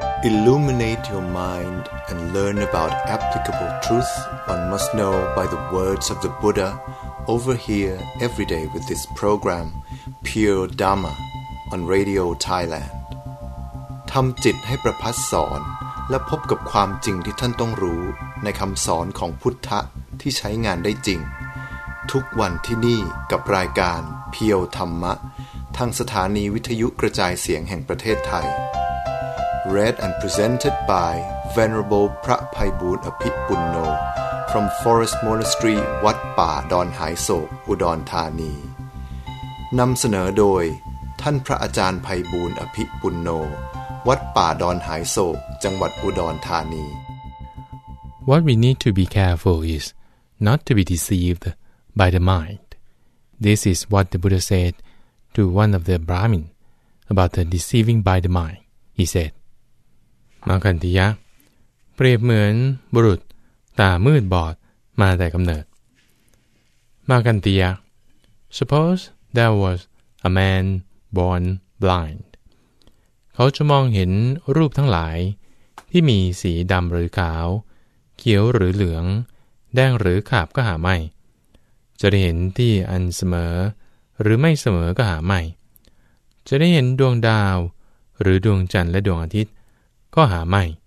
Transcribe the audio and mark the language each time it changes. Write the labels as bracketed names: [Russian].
[English] Illuminate your mind and learn about applicable truth one must know by the words of the Buddha over here every day with this program, Pure Dharma, on Radio Thailand. [Thai] ทำจิตให้ประพัสสอนและพบกับความจริงที่ท่านต้องรู้ในคำสอนของพุทธะที่ใช้งานได้จริงทุกวันที่นี่กับรายการเพียวธรรมะทางสถานีวิทยุกระจายเสียงแห่งประเทศไทย [English] Read and presented by Venerable [Thai] พระไพบูลย์อภิปุณโญ [English] from Forest Monastery [Thai] วัดป่าดอนหายโศกอุดรธานีนำเสนอโดยท่านพระอาจารย์ไพบูลย์อภิปุณโญวัดป่าดอนหายโศกจังหวัดอุดรธานี [English] What we need to be careful is not to be deceived by the mind. This is what the Buddha said to one of the Brahmin about the deceiving by the mind. He said, [Thai] มาคันธียะเปรียบเหมือนบุรุษตามืดบอดมาแต่กำเนิดมาคันธียะ [English] Suppose there was a man born blind. [Thai] เขาจะมองเห็นรูปทั้งหลายที่มีสีดำหรือขาวเขียวหรือเหลืองแดงหรือขาบก็หาไม่จะได้เห็นที่อันเสมอหรือไม่เสมอก็หาไม่จะได้เห็นดวงดาวหรือดวงจันทร์และดวงอาทิตย์ก็หาไม่